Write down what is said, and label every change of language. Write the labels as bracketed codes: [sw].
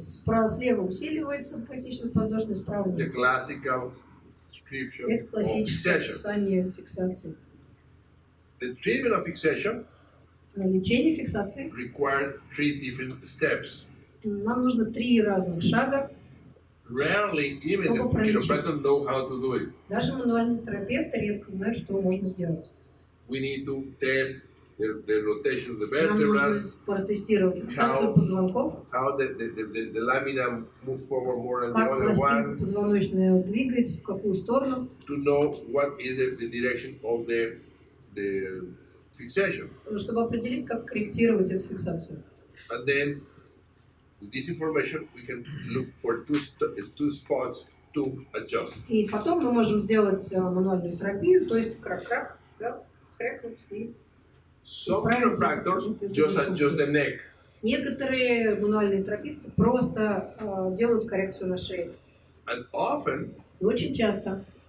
[ru] Справа слева усиливается пояснично-подвздошный, справа. [en] The classical description. [ru] Это классическое описание фиксации. [en] The treatment of fixation. [ru] Лечение фиксации. [en] Required three different steps. [ru] Нам нужно три разных шага. [en] Rarely even the chiropractor know how to do it. [ru] Даже мануальный терапевт редко знает, что можно сделать. [en] We need to test. The rotation of the vertebras. [ru] Протестировать ротацию позвонков. [en] How the lamina move forward more than the other one. [ru] Как позвоночная двигается в какую сторону? [en] To know what is the direction of the fixation. [ru] Чтобы определить, как корректировать эту фиксацию. [en] And then with this information we can look for two spots to adjust. [ru] И потом мы можем сделать мануальную терапию, то есть крак-крак, да, крекнуть и. [en] Some chiropractors just adjust the neck. [ru] Некоторые мануальные терапевты просто делают коррекцию на шее. [en] And often. [ru] И очень часто.